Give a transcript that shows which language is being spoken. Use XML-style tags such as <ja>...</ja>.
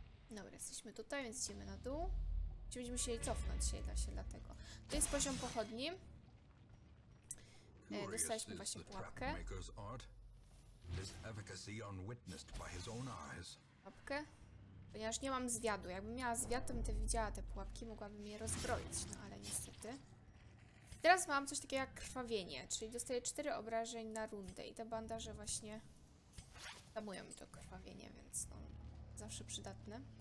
<pl>Dobra, jesteśmy tutaj, więc idziemy na dół. Będziemy musieli cofnąć się, da się dlatego. To jest poziom pochodni. Dostaliśmy właśnie pułapkę.</pl> <en>His efficacy unwitnessed by his own eyes.</en> <pl>Pułapkę? Ponieważ nie mam zwiadu. Jakbym miała zwiad, to bym te widziała te pułapki, mogłabym je rozbroić, no ale niestety. Teraz mam coś takiego jak krwawienie, czyli dostaję 4 obrażeń na rundę i te bandaże właśnie zamują mi to krwawienie, więc no, zawsze przydatne.</pl>